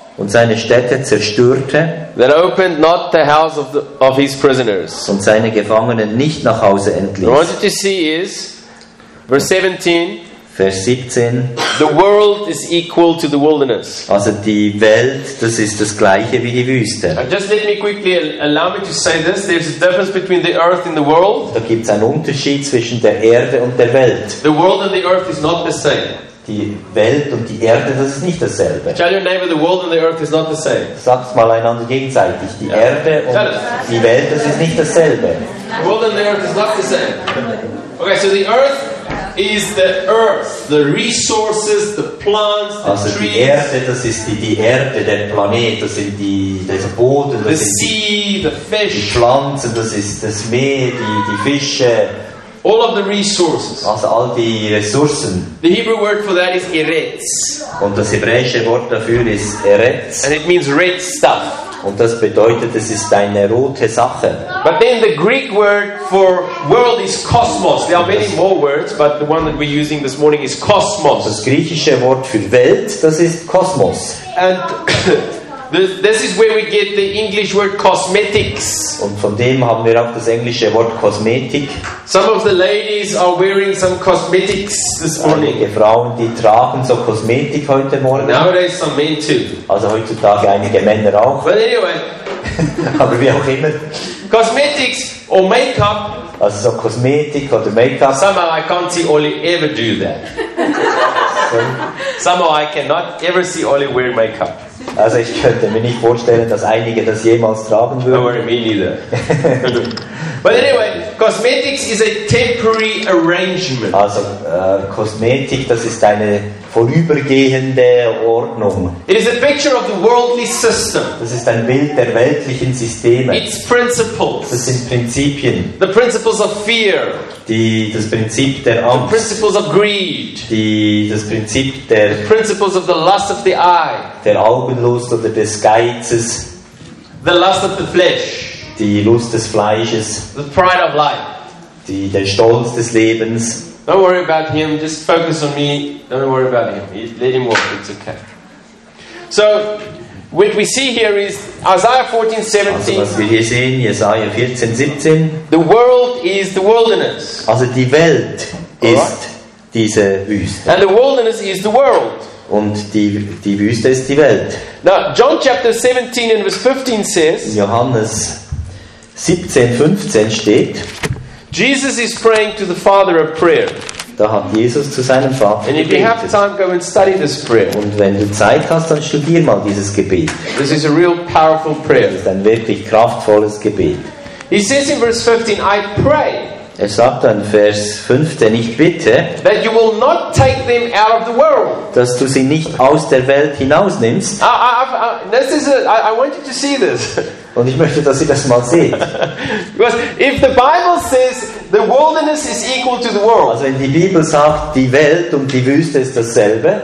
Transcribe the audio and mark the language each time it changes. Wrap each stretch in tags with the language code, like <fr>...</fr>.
<de>und seine Städte zerstörte,</de> <en>that opened not the house of his prisoners,</en> <de>und seine Gefangenen nicht nach Hause entließ.</de> <en>What you see is verse 17.</en> <de>Vers 17.</de> <en>The world is equal to the wilderness.</en> <de>Also die Welt, das ist das gleiche wie die Wüste.</de> <en>And just let me quickly allow me to say this. There's a difference between the earth and the world.</en> <de>Da gibt's einen Unterschied zwischen der Erde und der Welt.</de> <en>The world and the earth is not the same.</en> <de>Die Welt und die Erde, das ist nicht dasselbe.</de> <en>Tell your neighbor, the world and the earth is not the same.</en> <de>Sagt mal einander gegenseitig, die yeah. Erde und die Welt, das ist nicht dasselbe.</de> <en>The world and the earth is not the same. Okay, so the earth is the earth, the resources, the plants, the</en> <de>also</de> <en>trees.</en> <de>Also die Erde, das ist die Erde, der Planet, das sind die, das Boden, das</de> <en>the sea, the fish.</en> <de>Die Pflanzen, das ist das Meer, die Fische.</de> <en>All of the resources.</en> <de>Also all die Ressourcen.</de> <en>The Hebrew word for that is eretz.</en> <de>Und das hebräische Wort dafür ist eretz.</de> <en>And it means red stuff.</en> <de>Und das bedeutet, es ist deine rote Sache.</de> <en>But then the Greek word for world is kosmos. There are many more words, but the one that we're using this morning is kosmos.</en> <de>Das griechische Wort für Welt, das ist kosmos.</de> <en>And this is where we get the English word cosmetics.</en> <de>Und von dem haben wir auch das englische Wort Kosmetik.</de> <en>Some of the ladies are wearing some cosmetics this morning.</en> <de>Einige Frauen, die tragen so Kosmetik heute Morgen.</de> <en>Nowadays some men too.</en> <de>Also heutzutage einige Männer auch.</de> <en>But anyway.</en> <de>Aber wie auch immer.</de> <en>Cosmetics or makeup.</en> <de>Also so Kosmetik oder Makeup.</de> <en>Somehow I can't see Oli ever do that. Somehow I cannot ever see Oli wear makeup.</en> <de>Also ich könnte mir nicht vorstellen, dass einige das jemals tragen würden.</de> <en>Me neither. But anyway, cosmetics is a temporary arrangement.</en> <de>Also Kosmetik, das ist eine vorübergehende Ordnung.</de> <en>It is a picture of the worldly system.</en> <de>Das ist ein Bild der weltlichen Systeme.</de> <en>Its principles.</en> <de>Das sind Prinzipien.</de> <en>The principles of fear.</en> <de>Das Prinzip der Angst.</de> <en>The principles of greed.</en> <de>Das Prinzip der.</de> <en>The principles of the lust of the eye.</en> <de>Der Augenlust oder des Geizes.</de> <en>The lust of the flesh.</en> <de>Die Lust des Fleisches.</de> <en>The pride of life.</en> <de>Der Stolz des Lebens.</de> <en>Don't worry about him, just focus on me. Don't worry about him. Let him walk, it's okay. So, what we see here is Isaiah 14:17.</en> <de>Also, was wir hier sehen, Jesaja 14:17.</de> <en>The world is the wilderness.</en> <de>Also, die Welt ist diese Wüste.</de> <en>And the wilderness is the world.</en> <de>Und die Wüste ist die Welt.</de> <en>Now, John chapter 17 and verse 15 says,</en> <de>Johannes 17:15 steht,</de> <en>Jesus is praying to the Father a prayer.</en> <de>Da hat Jesus zu seinem Vater gebetet.</de> <en>And if you have time, go and study this prayer.</en> <de>Und wenn du Zeit hast, dann studier mal dieses Gebet.</de> <en>This is a real powerful prayer.</en> <de>Das ist ein wirklich kraftvolles Gebet.</de> <en>He says in verse 15, I pray.</en> <de>Er sagt dann Vers 15, ich bitte,</de> <en>that you will not take them out of the world.</en> <de>Dass du sie nicht aus der Welt hinausnimmst.</de> <en>I want you to see this.</en> <de>Und ich möchte, dass ihr das mal seht.</de> <en>Because if the Bible says the wilderness is equal to the world,</en> <de>also wenn die Bibel sagt, die Welt und die Wüste ist dasselbe,</de>